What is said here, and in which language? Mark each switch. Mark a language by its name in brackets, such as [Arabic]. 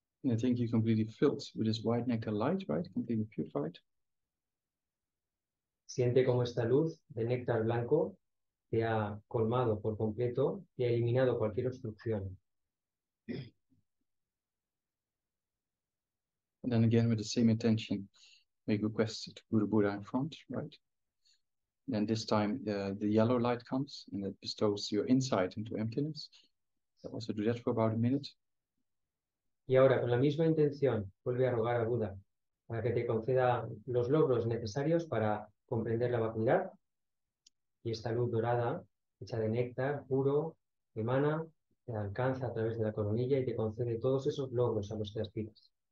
[English] I think you completely filled with this white nectar light, right? Completely purified. [Spanish] Siente como esta luz de néctar blanco te ha colmado por completo y ha eliminado cualquier obstrucción. [English] And then again, with the same intention, make requests to Guru Buddha in front, right? Then this time, the yellow light comes and it bestows your insight into emptiness. So also do that for about a minute. [Spanish] Y ahora, con la misma intención, vuelve a rogar a Buda para que te conceda los logros necesarios para comprender la vacuidad. Y esta luz dorada, hecha de néctar, puro, emana, te alcanza a través de la coronilla y te concede todos esos logros a los que aspiras.